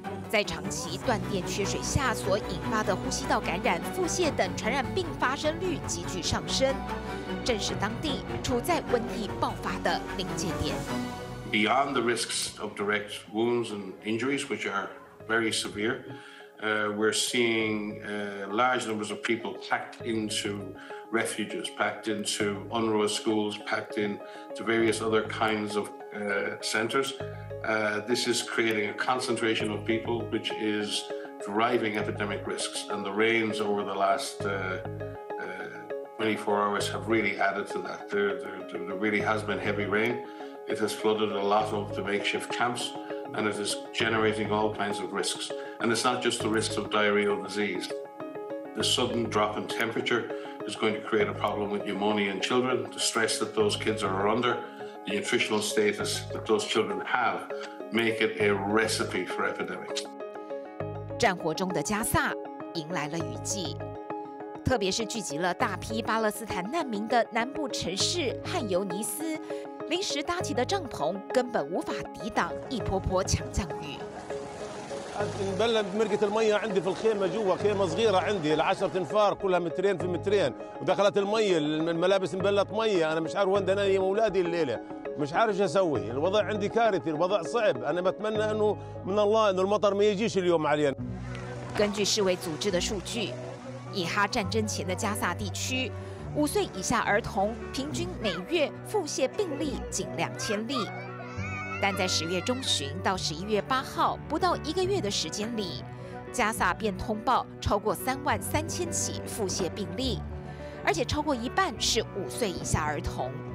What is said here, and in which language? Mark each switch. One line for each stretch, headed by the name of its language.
Chinese: 在长期断电缺水下所引发的呼吸道感染、腹泻等传染病发生率急剧上升，正是当地处在瘟疫爆发的临界点。
English: Beyond the risks of direct wounds and injuries, which are very severe, we're seeing large numbers of people packed into refuges, packed into UNRWA schools, packed into various other kinds of centers. This is creating a concentration of people which is driving epidemic risks. And the rains over the last 24 hours have really added to that. There really has been heavy rain. It has flooded a lot of the makeshift camps, and it is generating all kinds of risks. And it's not just the risks of diarrheal disease. The sudden drop in temperature is going to create a problem with pneumonia in children, the stress that those kids are under, the nutritional status that those children have make it a recipe for epidemics.
Chinese: 战火中的加萨迎来了雨季，特别是聚集了大批巴勒斯坦难民的南部城市汉尤尼斯，临时搭起的帐篷根本无法抵挡一波波强降雨。
Arabic: نبلن بمرقة المية عندي في الخيمة جوا خيمة صغيرة عندي العشرة انفار كلها مترين في مترين ودخلت المية الملابس نبلت مية أنا مش عارف وين دناي أولادي الليلة مش عارف شو أسوي الوضع عندي كارثي الوضع صعب أنا بتمنى إنه من الله إنه المطر ما يجيش اليوم علينا.
Chinese: 根据世卫组织的数据，以哈战争前的加萨地区，五岁以下儿童平均每月腹泻病例仅2000例。但在十月中旬到十一月八号不到一个月的时间里，加萨便通报超过33000起腹泻病例，而且超过一半是五岁以下儿童。